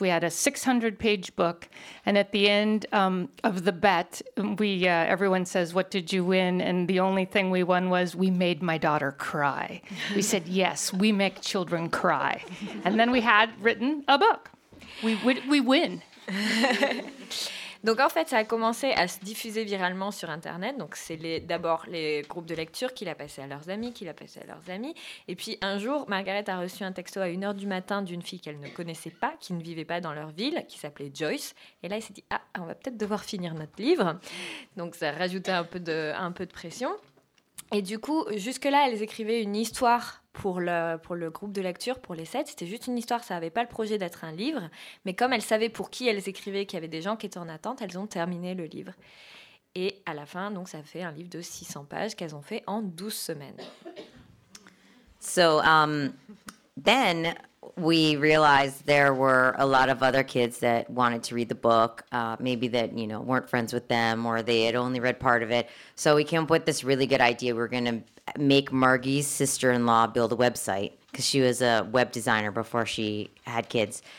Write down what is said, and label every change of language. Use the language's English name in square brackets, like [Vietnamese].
[English] We had a 600-page book. And at the end of the bet, everyone says, what did you win? And the only thing we won was we made my daughter cry. We said, yes, we make children cry. And then we had written a book. We win. [French] Donc en fait, ça a commencé à se diffuser viralement sur Internet. Donc c'est d'abord les groupes de lecture qui l'a passé à leurs amis, Et puis un jour, Margaret a reçu un texto à 1h du matin d'une fille qu'elle ne connaissait pas, qui ne vivait pas dans leur ville, qui s'appelait Joyce. Et là, elle s'est dit, ah, on va peut-être devoir finir notre livre. Donc ça rajoutait un peu de pression. Et du coup, jusque-là, elles écrivaient une histoire pour le groupe de lecture, pour les 7. C'était juste une histoire, ça n'avait pas le projet d'être un livre. Mais comme elles savaient pour qui elles écrivaient, qu'il y avait des gens qui étaient en attente, elles ont terminé le livre. Et à la fin, donc, ça fait un livre de 600 pages qu'elles ont fait en 12 semaines. [English] So, then we realized there were a lot of other kids that wanted to read the book, maybe that, you know, weren't friends with them or they had only read part of it. So we came up with this really good idea. We're going to make Margie's sister-in-law build a website because she was a web designer before she had kids.